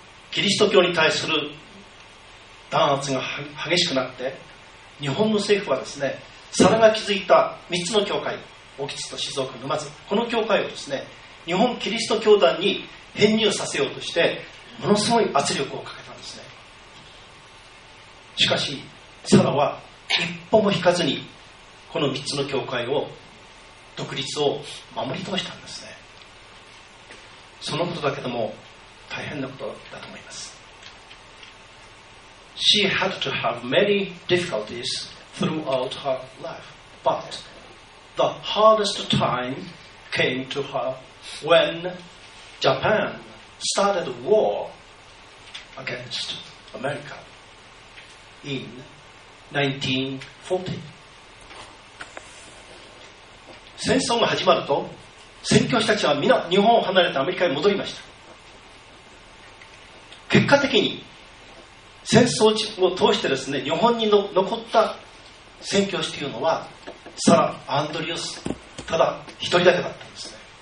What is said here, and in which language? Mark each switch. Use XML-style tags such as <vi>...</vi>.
<ja>キリスト教に対する弾圧が激しくなって、日本の政府はですね、サラが築いた3つの教会、興津と静岡沼津、この教会をですね、日本キリスト教団に編入させようとしてものすごい圧力をかけたんですね。しかしサラは一歩も引かずにこの3つの教会を、独立を守り通したんですね。そのことだけでも大変なことだと思います。</ja> <en>She had to have many difficultiesThroughout her life, but the hardest time came to her when Japan started war against America in 1940.</en> <ja>戦争が始まると、宣教師たちはみんな日本を離れてアメリカに戻りました。結果的に戦争を通してですね、日本に残った宣教師というのはサラ・アンドリュースただ一人だけだったんですね。</ja>